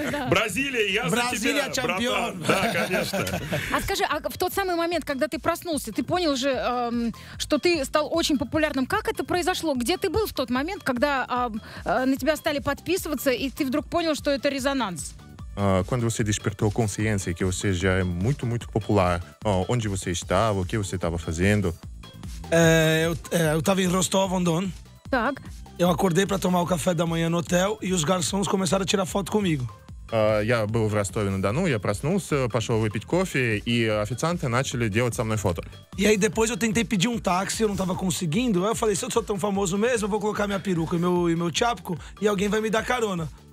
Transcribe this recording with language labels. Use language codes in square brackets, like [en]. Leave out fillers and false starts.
[ru] Бразилия, я за тебя, Бразилия, чемпион. Да, конечно. А скажи, а в тот самый момент, когда ты проснулся, ты понял же, что ты стал очень популярным. Как это произошло? Где ты был в тот момент, когда на тебя стали подписываться, и ты вдруг понял, что это резонанс? [pt] Quando você despertou consciência que você já é muito, muito popular, onde você estava, o que você estava fazendo? Eu estava em Ростов-на-Дону. [ru] Так. [pt] Eu acordei para tomar o café da manhã no hotel e os garçons começaram a tirar foto comigo. [ru] Я был в Ростове-на-Дону, я проснулся, пошел выпить кофе, и официанты начали делать со мной фото. [pt] И aí depois eu tentei pedir táxi, eu não tava conseguindo. Eu falei, se eu sou tão famoso mesmo, eu vou colocar minha peruca e meu chapco e alguém vai me dar carona.